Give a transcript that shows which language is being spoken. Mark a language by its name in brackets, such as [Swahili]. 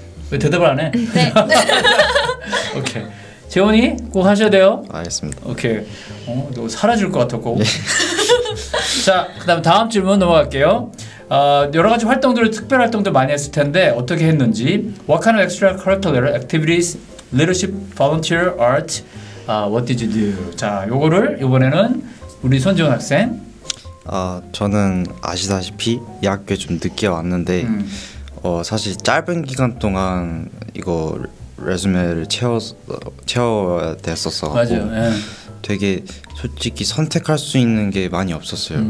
[Korean] 왜 대답을 안 해? 네. 오케이. 재원이 꼭 하셔야 돼요. 알겠습니다. 오케이. 너 사라질 것 같았고. 네. 자, 그다음 다음 질문 넘어갈게요. 여러 가지 활동들을 특별 활동들 많이 했을 텐데 어떻게 했는지. [English] What kind of extracurricular activities, leadership, volunteer, art, what did you do? [Korean] 자, 요거를 이번에는 우리 손지원 학생. 저는 아시다시피 이 학교에 좀 늦게 왔는데 사실 짧은 기간 동안 이거 레즈메를 채워야 됐었어. 맞아요. 예. 되게 솔직히 선택할 수 있는 게 많이 없었어요.